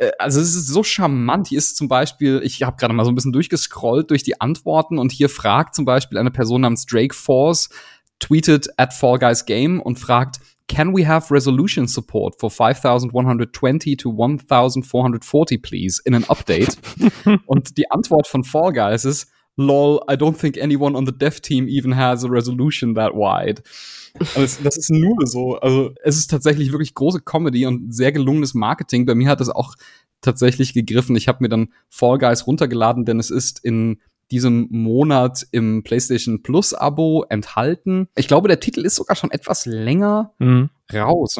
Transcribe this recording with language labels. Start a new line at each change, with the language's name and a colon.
German: Also es ist so charmant. Hier ist zum Beispiel, ich habe gerade mal so ein bisschen durchgescrollt durch die Antworten und hier fragt zum Beispiel eine Person namens Drake Force,
English: tweeted at Fall Guys Game
German: und fragt,
English: can we have resolution support for 5120 to 1440 please in an update?
German: Und die Antwort von Fall Guys ist,
English: lol, I don't think anyone on the dev team even has a resolution that wide.
German: Also das ist nur so, also es ist tatsächlich wirklich große Comedy und sehr gelungenes Marketing. Bei mir hat es auch tatsächlich gegriffen. Ich habe mir dann Fall Guys runtergeladen, denn es ist in diesem Monat im PlayStation Plus Abo enthalten. Ich glaube, der Titel ist sogar schon etwas länger raus.